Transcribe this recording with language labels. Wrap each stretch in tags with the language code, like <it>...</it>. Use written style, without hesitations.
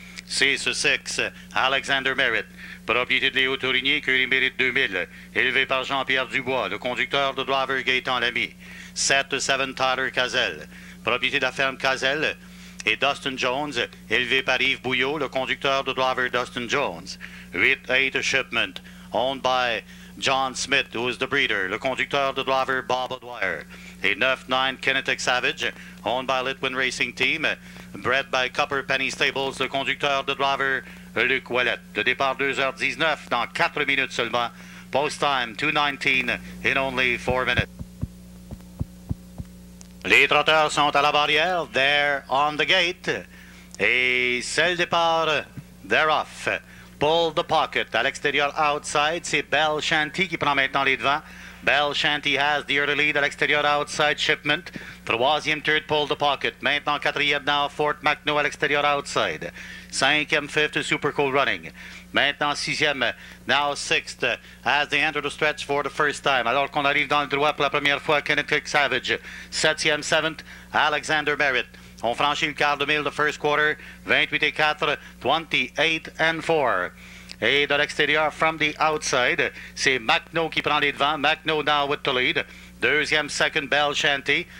<fr>6-6 Alexander Merritt, propriété de Léo Tourigny, écurie Mérite 2000, élevé par Jean-Pierre Dubois, le conducteur de driver Gaétan Lamy. 7-7 Tyler Cazel, propriété de la ferme Cazel, et Dustin Jones, élevé par Yves Bouillot, le conducteur de driver Dustin Jones.</fr> <en>8-8 Shipment, owned by John Smith, who is the breeder,</en> <fr>le conducteur de driver</fr> <en>Bob O'Dwyer. Et 9-9 Kinetic Savage, owned by Litwin Racing Team, bred by Copper Penny Stables,</en> <fr>le conducteur de driver</fr> <en>Luc Ouellette.</en> <fr>Le départ 2h19 dans 4 minutes seulement.</fr> <en>Post time 2:19 in only 4 minutes.</en> <fr>Les trotteurs sont à la barrière,</fr> <en>they're on the gate,</en> <fr>et c'est le départ,</fr> <en>they're off. Pull the pocket,</en> <fr>à l'extérieur, outside, c'est BEL SCHANTI qui prend maintenant les devants.</fr> <en>BEL SCHANTI has the early lead,</en> <fr>à l'extérieur,</fr> <en>outside, Shipment. Troisième, third, pull the pocket.</en> <fr>Maintenant, quatrième, now, Fort McNo, à l'extérieur, outside. Cinquième, fifth, Super Cool Running. Maintenant, sixième,</fr> <en>now, sixth, as they enter the stretch for the first time.</en> <fr>Alors qu'on arrive dans le droit pour la première fois, Kinetic Savage. Septième, seventh, Alexander Merritt. On franchit le quart de mille,</fr> <en>the first quarter,</en> <fr>28-4, 28-4. Et de l'extérieur,</fr> <en>from the outside,</en> <fr>c'est McNo qui prend les devants.</fr> <en>McNo now with the lead.</en> <fr>Deuxième,</fr> <en>second, BEL SCHANTI.</en>